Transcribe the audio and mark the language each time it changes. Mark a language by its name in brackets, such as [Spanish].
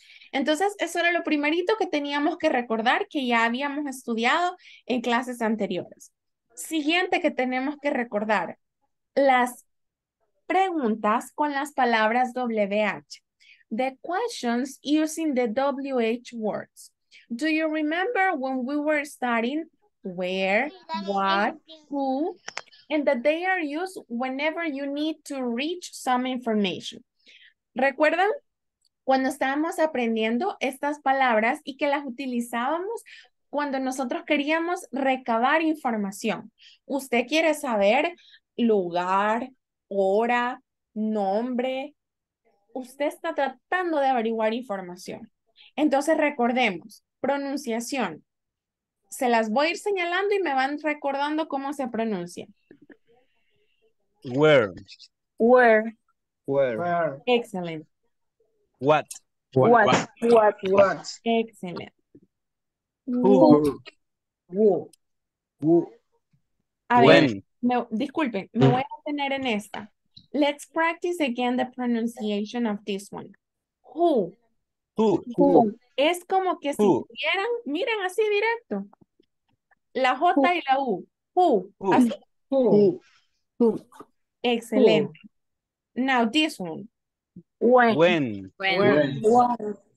[Spanish] Entonces, eso era lo primerito que teníamos que recordar que ya habíamos estudiado en clases anteriores. Siguiente que tenemos que recordar, las preguntas con las palabras WH. [English] The questions using the WH words. Do you remember when we were studying where, what, who? And that they are used whenever you need to reach some information. [Spanish] ¿Recuerdan cuando estábamos aprendiendo estas palabras y que las utilizábamos cuando nosotros queríamos recabar información? Usted quiere saber lugar, hora, nombre. Usted está tratando de averiguar información. Entonces recordemos, pronunciación. Se las voy a ir señalando y me van recordando cómo se pronuncia. [English] Where. Where. Where. Excellent. What. What. What. What. Excellent. Who. Who. Who. When. [Spanish] Disculpen, me voy a detener en esta. [English] Let's practice again the pronunciation of this one. Who. Who. Who. Who. [Spanish] Es como que si tuvieran, miren así directo. La J who. Y la U. Who. [English] Who. [Spanish] Así. [English] Who. Who. Who. [Spanish] Excelente. [English] Who. Now this one. When. When. When. When.